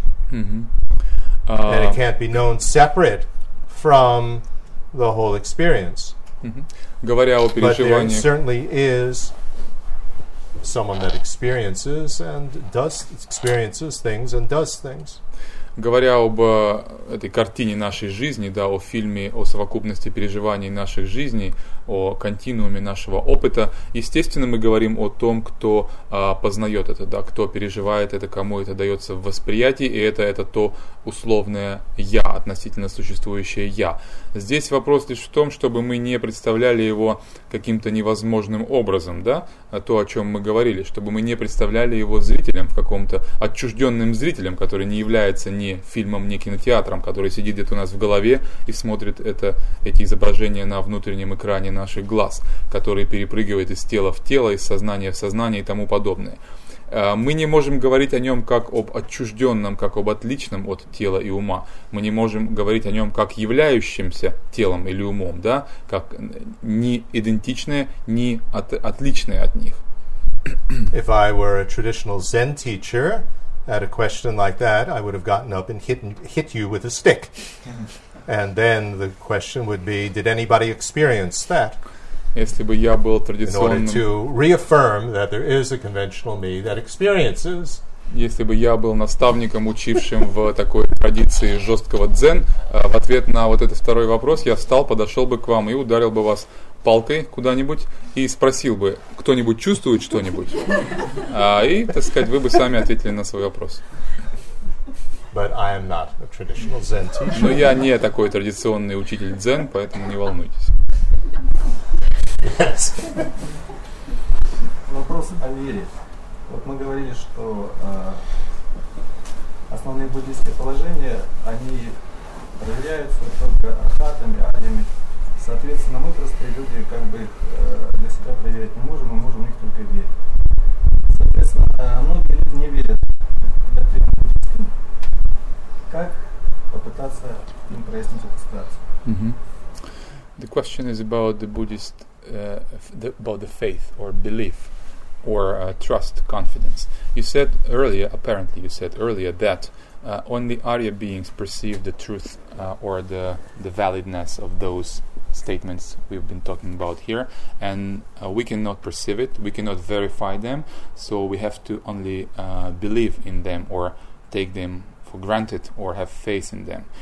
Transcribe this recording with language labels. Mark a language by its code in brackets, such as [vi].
[en] Mm-hmm. And it can't be known separate from the whole experience. [ru] Mm-hmm. Говоря о переживаниях. [en] But there certainly is someone that experiences and does experiences things and does things. [ru] Говоря об этой картине нашей жизни, да, о фильме, о совокупности переживаний наших жизней, о континууме нашего опыта, естественно, мы говорим о том, кто познает это, да, кто переживает это, кому это дается в восприятии, и это то условное «я», относительно существующее «я». Здесь вопрос лишь в том, чтобы мы не представляли его каким-то невозможным образом, да, то, о чем мы говорили, чтобы мы не представляли его зрителем, в каком-то отчужденным зрителем, который не является ни фильмом, ни кинотеатром, который сидит где-то у нас в голове и смотрит эти изображения на внутреннем экране наших глаз, который перепрыгивает из тела в тело, из сознания в сознание и тому подобное. Мы не можем говорить о нем как об отчужденном, как об отличном от тела и ума. Мы не можем говорить о нем как являющимся телом или умом, да, как не идентичное, не отличное от них. [en] If I were a traditional Zen teacher, at a question like that, I would have gotten up and hit you with a stick. And then the question would be, did anybody experience that? [ru] Если бы я был традиционным... [en] In order to reaffirm that there is a conventional me that experiences. [ru] Если бы я был наставником, учившим в такой традиции жесткого дзен, в ответ на вот этот второй вопрос я встал, подошел бы к вам и ударил бы вас палкой куда-нибудь и спросил бы, кто-нибудь чувствует что-нибудь? И, так сказать, вы бы сами ответили на свой вопрос. [en] But I am not a traditional Zen teacher. [ru] Но я не такой традиционный учитель дзен, поэтому не волнуйтесь. [en] Yes. [ru] Вопрос о вере. Вот мы говорили, что основные буддийские положения, они проявляются только архатами, адьями. Соответственно, мы простые люди, как бы их для себя проверять не можем, мы можем в них только верить. Соответственно, многие люди не верят доктринам буддийским. Как попытаться им прояснить эту ситуацию? [en] The question is about the Buddhist, about the faith or belief. Or trust, confidence. You said earlier, apparently you said earlier, that only Arya beings perceive the truth or the validness of those statements we've been talking about here, and we cannot perceive it, we cannot verify them, so we have to only believe in them or take them for granted or have faith in them.